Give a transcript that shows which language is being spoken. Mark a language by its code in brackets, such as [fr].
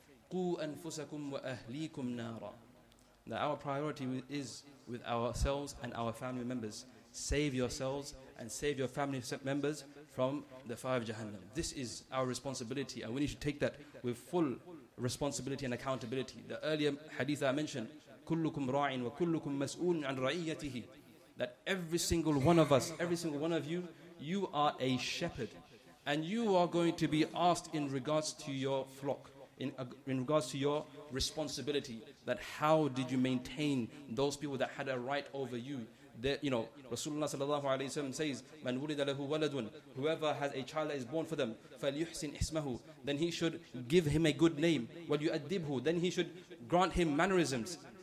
[ar] قُوْ أَنفُسَكُمْ وَأَهْلِيكُمْ نَارًا. [en] Now our priority is with ourselves and our family members. Save yourselves and save your family members from the fire of Jahannam. This is our responsibility, and we need to take that with full responsibility and accountability. The earlier hadith I mentioned, [ar] كُلُّكُمْ رَاعٍ وَكُلُّكُمْ مَسْؤُولٍ عَنْ رَعِيَّتِهِ. [en] That every single one of us, every single one of you, you are a shepherd. And you are going to be asked in regards to your flock, in regards to your responsibility, that how did you maintain those people that had a right over you? That, you know, Rasulullah sallallahu alayhi wa sallam says, [ar] مَنْ وُلِدَ لَهُ وَلَدٌ, [en] whoever has a child that is born for them, [ar] فَلْيُحْسِنْ إِسْمَهُ, [en] then he should give him a good name, [ar] وَلْيُؤَدِّبْهُ, [en] then he should grant him mannerisms.